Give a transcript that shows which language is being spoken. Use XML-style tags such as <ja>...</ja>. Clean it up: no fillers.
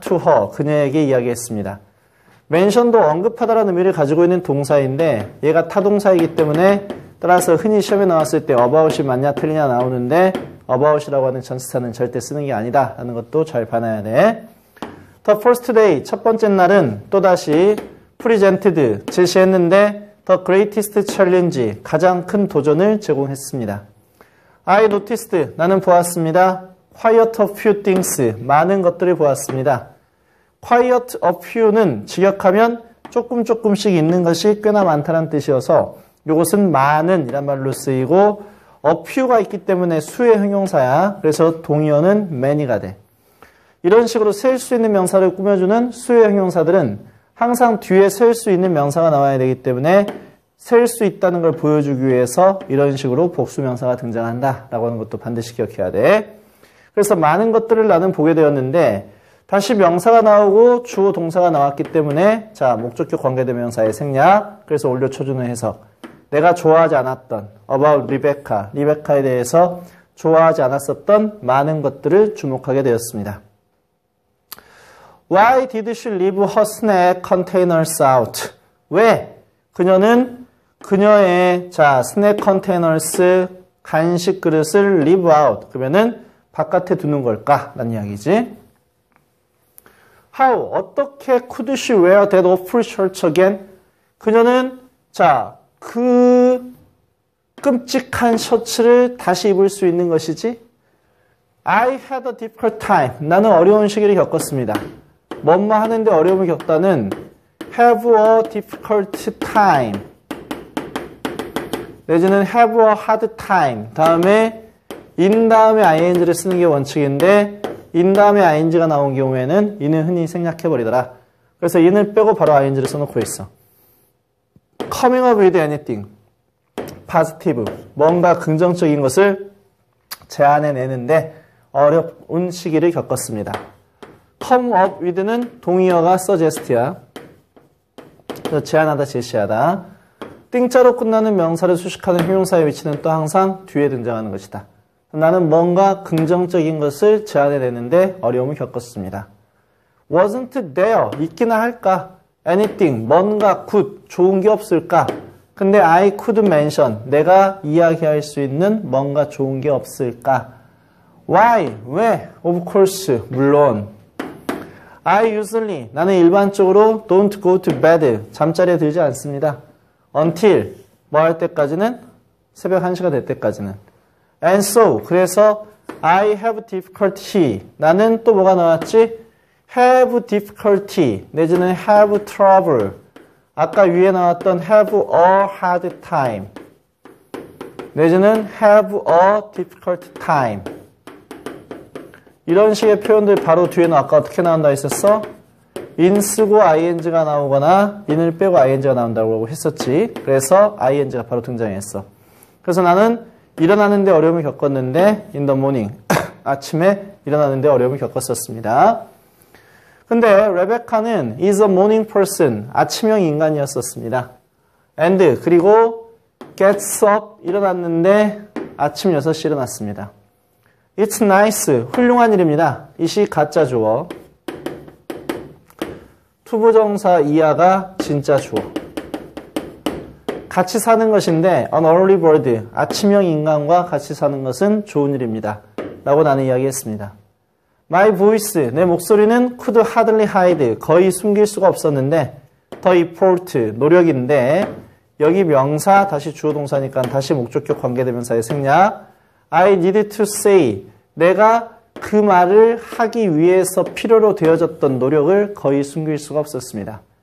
<en>to her,</en> <ko>그녀에게 이야기했습니다. mention도 언급하다라는 의미를 가지고 있는 동사인데 얘가 타동사이기 때문에 따라서 흔히 시험에 나왔을 때 about이 맞냐 틀리냐 나오는데 about이라고 하는 전치사는 절대 쓰는 게 아니다 라는 것도 잘 봐놔야 돼.</ko> <en>the first day,</en> <ko>첫 번째 날은 또다시 presented, 제시했는데</ko> <en>the greatest challenge,</en> <ko>가장 큰 도전을 제공했습니다.</ko> <en>I noticed,</en> <ko>나는 보았습니다.</ko> <en>Quiet a few things,</en> <ko>많은 것들을 보았습니다. Quiet a few는 직역하면 조금 조금씩 있는 것이 꽤나 많다는 뜻이어서 이것은 많은 이란 말로 쓰이고 a few가 있기 때문에 수의 형용사야. 그래서 동의어는 many가 돼. 이런 식으로 셀 수 있는 명사를 꾸며주는 수의 형용사들은 항상 뒤에 셀 수 있는 명사가 나와야 되기 때문에 셀 수 있다는 걸 보여주기 위해서 이런 식으로 복수명사가 등장한다라고 하는 것도 반드시 기억해야 돼. 그래서 많은 것들을 나는 보게 되었는데 다시 명사가 나오고 주어 동사가 나왔기 때문에 자 목적격 관계대명사의 생략 그래서 올려쳐주는 해석 내가 좋아하지 않았던 about 리베카, 리베카에 대해서 좋아하지 않았었던 많은 것들을 주목하게 되었습니다.</ko> <en>Why did she leave her snack containers out?</en> <ko>왜 그녀는 그녀의 자 snack containers 간식 그릇을 leave out 그러면은 바깥에 두는 걸까? 라는 이야기지. How? 어떻게</ko> <en>could she wear that awful shirt again?</en> <ko>그녀는 자 그 끔찍한 셔츠를 다시 입을 수 있는 것이지?</ko> <en>I had a difficult time.</en> <ko>나는 어려운 시기를 겪었습니다. 뭐뭐 하는데 어려움을 겪다는 have a difficult time 내지는 have a hard time 다음에 in 다음에 ing를 쓰는 게 원칙인데 in 다음에 ing가 나온 경우에는 in은 흔히 생략해버리더라. 그래서 in을 빼고 바로 ing를 써놓고 있어.</ko> <en>coming up with anything positive</en> <ko>뭔가 긍정적인 것을 제안해내는데 어려운 시기를 겪었습니다. come up with는 동의어가 suggest야. 제안하다, 제시하다. 띵자로 끝나는 명사를 수식하는 형용사의 위치는 또 항상 뒤에 등장하는 것이다. 나는 뭔가 긍정적인 것을 제안해내는데 어려움을 겪었습니다.</ko> <en>wasn't there,</en> <ko>있기나 할까? anything, 뭔가 good, 좋은 게 없을까? 근데</ko> <en>I could mention,</en> <ko>내가 이야기할 수 있는 뭔가 좋은 게 없을까? why, 왜?</ko> <en>of course,</en> <ko>물론.</ko> <en>I usually,</en> <ko>나는 일반적으로</ko> <en>don't go to bed,</en> <ko>잠자리에 들지 않습니다. until, 뭐 할 때까지는? 새벽 1시가 될 때까지는. and so, 그래서</ko> <en>I have difficulty,</en> <ko>나는 또 뭐가 나왔지? have difficulty, 내지는 have trouble, 아까 위에 나왔던 have a hard time, 내지는 have a difficult time. 이런 식의 표현들 바로 뒤에는 아까 어떻게 나온다 했었어? in 쓰고 ing가 나오거나 in을 빼고 ing가 나온다고 했었지. 그래서 ing가 바로 등장했어. 그래서 나는 일어나는데 어려움을 겪었는데</ko> <en>in the morning</en> <ko>아침에 일어나는데 어려움을 겪었었습니다. 근데 레베카는</ko> <en>is a morning person</en> <ko>아침형 인간이었었습니다. and 그리고</ko> <en>gets up</en> <ko>일어났는데 아침 6시 일어났습니다.</ko> <en>It's nice.</en> <ko>훌륭한 일입니다. 이시 가짜 주어. 투부정사 이하가 진짜 주어. 같이 사는 것인데 an early bird. 아침형 인간과 같이 사는 것은 좋은 일입니다. 라고 나는 이야기했습니다.</ko> <en>My voice.</en> <ko>내 목소리는</ko> <en>could hardly hide.</en> <ko>거의 숨길 수가 없었는데 the effort. 노력인데 여기 명사 다시 주어 동사니까 다시 목적격 관계대명사의 생략.</ko> <en>I needed to say,</en> <ko>내가 그 말을 하기 위해서 필요로 되어졌던 노력을 거의 숨길 수가 없었습니다.</ko>